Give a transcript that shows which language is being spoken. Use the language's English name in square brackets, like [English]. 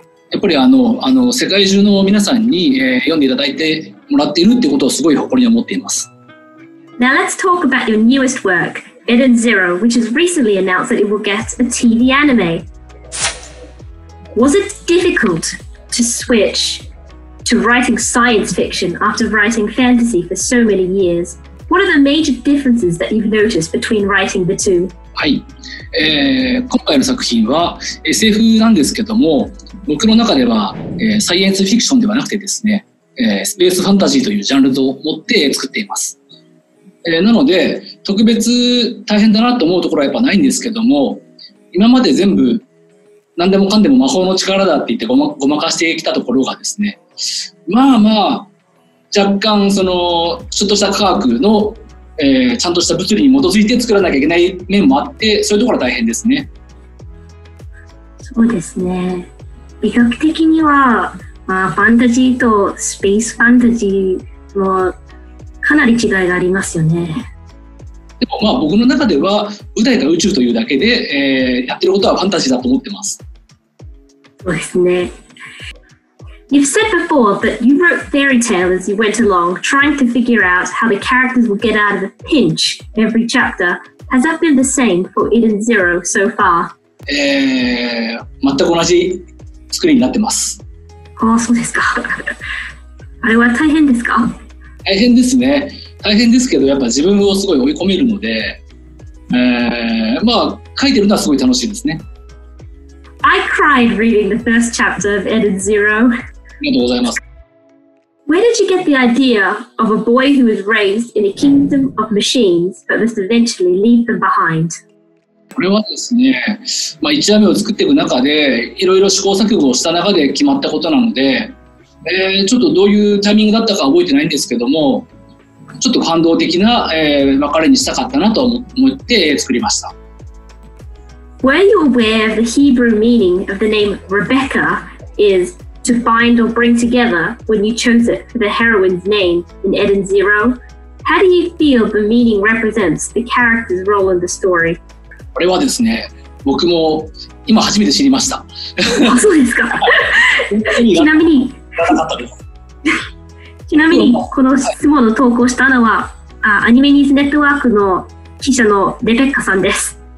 [Japanese] やっぱり世界中の皆さんに、読んでいただいてもらっているってことをすごい誇りに思っています。 [English] Now let's talk about your newest work, Eden Zero, which has recently announced that it will get a TV anime. Was it difficult to switch? To writing science fiction after writing fantasy for so many years. What are the major differences that you've noticed between writing the two? [Japanese] はい、今回の作品は SF なんですけども、僕の中では、サイエンスフィクションではなくてですね、スペースファンタジーというジャンルを持って作っています。なので、特別大変だなと思うところはやっぱないんですけども、今まで全部何でもかんでも魔法の力だって言ってごまかしてきたところがですね、まあまあ若干そのちょっとした科学の、ちゃんとした物理に基づいて作らなきゃいけない面もあってそういうところは大変ですね。そうですね。美学的には、まあ、ファンタジーとスペースファンタジーもかなり違いがありますよね。でもまあ僕の中では舞台が宇宙というだけで、やってることはファンタジーだと思ってます。そうですね。 [English] You've said before that you wrote Fairy Tail as you went along, trying to figure out how the characters will get out of the pinch every chapter. Has that been the same for Eden Zero so far? [Japanese] 全く同じ作りになってます。ああ、そうですか。あれは大変ですか？大変ですね。大変ですけど、やっぱ自分をすごい追い込めるので、まあ、書いてるのはすごい楽しいですね。 [English] I cried reading the first chapter of Eden Zero. [Japanese] ありがとうございます。 [English] Where did you get the idea of a boy who was raised in a kingdom of machines but must eventually leave them behind? [Japanese] これはですね、まあ、1話目を作っていく中でいろいろ試行錯誤をした中で決まったことなので、ちょっとどういうタイミングだったか覚えてないんですけども、ちょっと感動的な、別れにしたかったなと思って作りました。 [English] Were you aware of the Hebrew meaning of the name Rebecca is to find or bring together when you chose it for the heroine's name in Eden Zero? How do you feel the meaning represents the character's role in the story? [Japanese] これはですね、僕も今初めて知りました。あ、そうですか。ちなみに、ちなみにこの質問の投稿したのは、はい、アニメニーズネットワークの記者のレベッカさんです。